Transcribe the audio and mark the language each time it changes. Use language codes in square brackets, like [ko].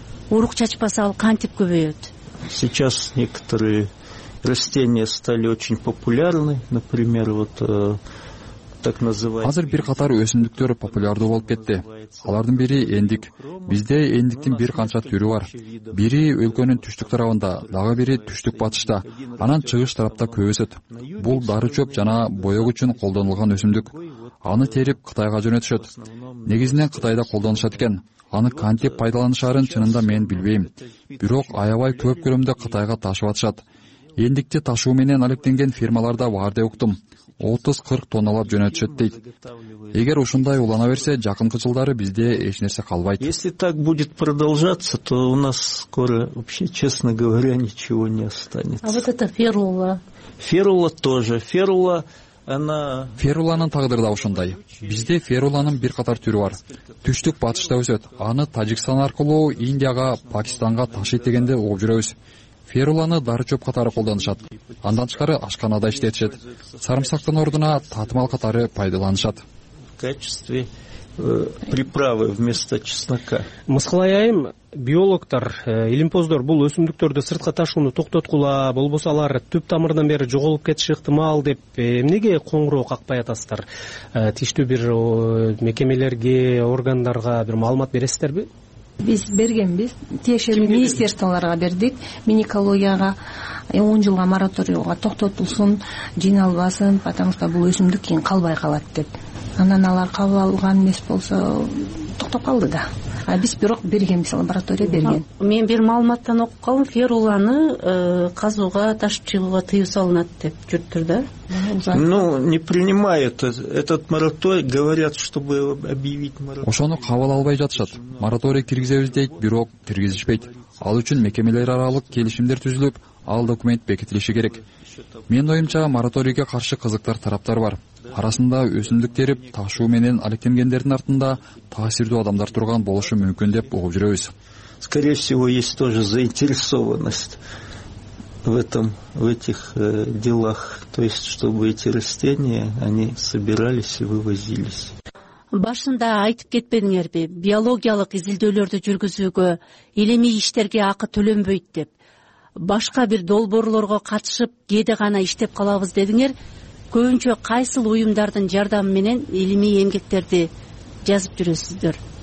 [ky] Урук чачпаса ал кантип көбөйөт? [ru] Сейчас некоторые растения стали очень популярны, например, вот так называемые. [ky] Азыр бир катар өсүмдүктөр популярдуу болуп кетти. Алардын бири эндик. Бизде эндиктин бир канча түрү бар. Бири өлкөнүн түштүк тарабында, дагы бири түштүк батышта, анан чыгыш тарапта көп өсөт. Бул дары чөп жана боёк үчүн колдонулган өсүмдүк. Аны терип Кытайга жөнөтүшөт. Негизинен Кытайда колдонушат экен. Аны кантип пайдаланышарын чынында мен билбейм. Бирок аябай көп көлөмдө Кытайга ташып атышат. Эндикти ташуу менен алектенген фирмаларда бар деп уктум. 30-40 тонналап жөнөтүшөт дейт. Эгер ушундай улана берсе, жакынкы жылдары бизде эч нерсе калбайт. [ru] Если так будет продолжаться, то у нас скоро вообще, честно говоря, ничего не останется. А вот это ферула. Ферула тоже. Ферула, она [ky] феруланын тагдыры да ушундай. Бизде феруланын бир катар түрү бар. Түштүк батышта өсөт. Аны Тажикстан аркылуу Индияга, Пакистанга ташыйт дегенде угуп жүрөбүз. Феруланы дарычоп катары колдонушат. Андан тышкары ашканада иштетишет. Сарымсактын ордуна татымал катары пайдаланышат. [ru] Приправы вместо чеснока. [ky] Мыскылайайым, биологтор, илимпоздор бул өсүмдүктөрдү сыртка ташууну токтоткула, болбосо алар түп тамырынан бери жоголуп кетиши ыктымал деп эмнеге коңгуроо какпай атасыздар? Тийиштүү бир мекемелерге, органдарга бир маалымат бересиздерби? Биз бергенбиз, тиешелүү министерстволорго бердик, минэкологияга 10 жылга мораторийга токтотулсун, жыйналбасын, [ru] потому что [ky] бул өсүмдүк кийин калбай калат деп. Анан алар кабыл алган эмес болсо токтоп калды да. А биз бирок бергенбиз, лаборатория берген. Мен бир маалыматтан окуп калдым, феруланы казууга, ташып чыгууга тыюу салынат деп жүрттүр да. [ru] Ну, не принимают этот мораторий, говорят, чтобы объявить мораторий. [ky] Ошону кабыл албай жатышат. Мораторий киргизебиз дейт, бирок киргизишпейт. Ал үчүн мекемелер аралык келишимдер түзүлүп, ал документ бекитилиши керек. Менин оюмча мораторийге каршы кызыктар тараптар бар. Арасында өсүмдүк терип ташуу менен алектенгендердин артында таасирдүү адамдар турган болушу мүмкүн деп угуп жүрөбүз. [ru] Скорее всего, есть тоже заинтересованность в этом, в этих делах, то есть чтобы эти растения они собирались и вывозились. [ky] Башында айтып кетпедиңерби, биологиялык изилдөөлөрдү жүргүзүүгө илимий иштерге акы төлөнбөйт деп. Башка бир долбоорлорго катышып, кеде гана иштеп калабыз дедиңер. Көбүнчө кайсыл уюмдардын жардамы менен илимий эмгектерди жазып жүрөсүздөр?